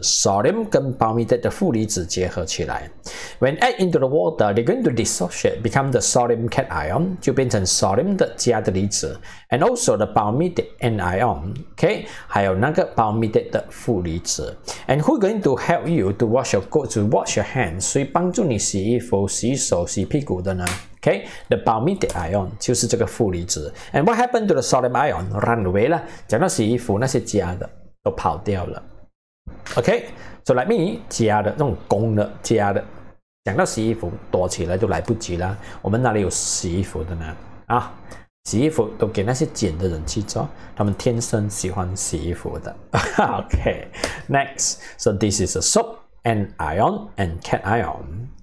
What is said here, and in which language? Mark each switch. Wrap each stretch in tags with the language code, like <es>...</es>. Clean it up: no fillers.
<zh>Sodium 跟 palmitate 的负离子结合起来。</zh> <en>When add into the water, they're going to dissociate, become the sodium cation,</en> <zh>就变成 sodium 的加的离子。</zh> <en>And also the palmitate anion. Okay?</en> <zh>还有那个 palmitate 的负离子。</zh> <en>And who's going to help you to wash your coat, to wash your hands?</en> <zh>谁帮助你洗衣服、洗手、洗屁股的呢？</zh> <en>Okay, the palmitate ion</en> <zh>就是这个负离子。</zh> <en>And what happened to the sodium ion? Run away</en> <zh>了，讲到洗衣服那些加的都跑掉了。</zh> <en>Okay, so like me,</en> <zh>加的这种公的加的，讲到洗衣服躲起来就来不及了。我们哪里有洗衣服的呢？啊，洗衣服都给那些捡的人去做，他们天生喜欢洗衣服的。</zh> <en>Okay, next, so this is a soap and ion and cation.</en>